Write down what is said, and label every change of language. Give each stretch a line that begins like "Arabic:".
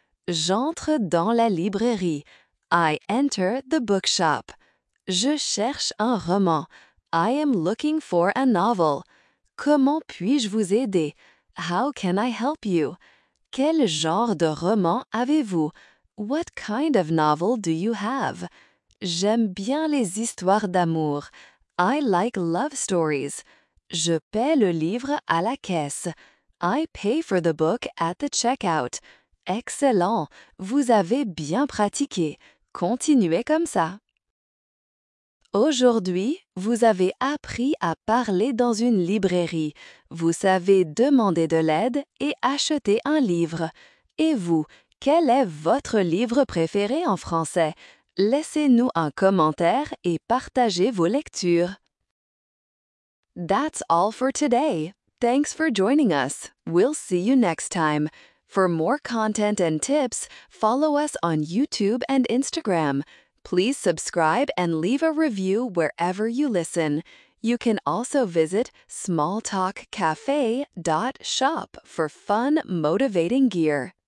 French: J'entre dans la librairie.
English: I enter the bookshop.
French: Je cherche un roman.
English: I am looking for a novel.
French: Comment puis-je vous aider?
English: How can I help you?
French: Quel genre de roman avez-vous?
English: What kind of novel do you have?
French: J'aime bien les histoires d'amour.
English: I like love stories.
French: Je paie le livre à la caisse.
English: I pay for the book at the checkout.
French: Excellent! Vous avez bien pratiqué. Continuez comme ça. Aujourd'hui, vous avez appris à parler dans une librairie. Vous savez demander de l'aide et acheter un livre. Et vous? Quel est votre livre préféré en français? Laissez-nous un commentaire et partagez vos lectures.
English: That's all for today. Thanks for joining us. We'll see you next time. For more content and tips, follow us on YouTube and Instagram. Please subscribe and leave a review wherever you listen. You can also visit smalltalkcafe.shop for fun, motivating gear.